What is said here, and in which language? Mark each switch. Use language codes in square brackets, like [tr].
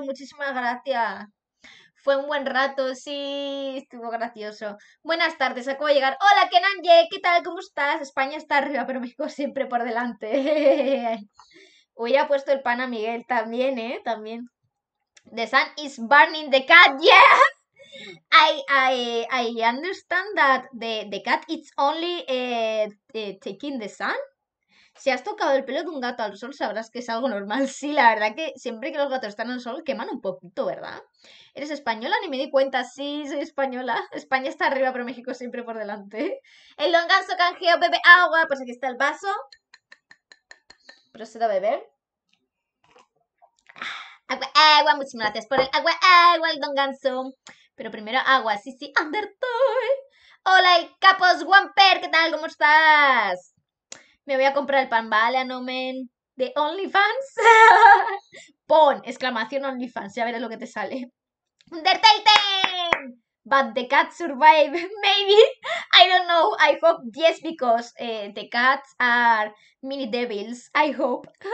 [es] Muchísimas gracias. Fue un buen rato, sí. Estuvo gracioso. Buenas tardes, acabo de llegar. Hola, Kenan Ye, ¿qué tal? ¿Cómo estás? España está arriba, pero México siempre por delante. Hubiera puesto el pan a Miguel también, ¿eh? También. [en] The sun is burning the cat, yeah! I understand that the cat is only taking the sun. [es] Si has tocado el pelo de un gato al sol, sabrás que es algo normal. Sí, la verdad que siempre que los gatos están al sol, queman un poquito, ¿verdad? ¿Eres española? Ni me di cuenta. Sí, soy española. España está arriba, pero México siempre por delante. El longanzo canjeo, bebe agua. Pues aquí está el vaso. Procedo a beber. Agua, agua, muchísimas gracias por el agua, agua, el Don Ganso. Pero primero agua, sí, Undertoy. Hola, el Capos Wamper, ¿qué tal? ¿Cómo estás? Me voy a comprar el pan, vale, Anomen. De OnlyFans. Pon, exclamación OnlyFans, ya verás lo que te sale. [en] Undertale 10! But the cat survive, maybe. I don't know, I hope yes, because the cats are mini devils, I hope.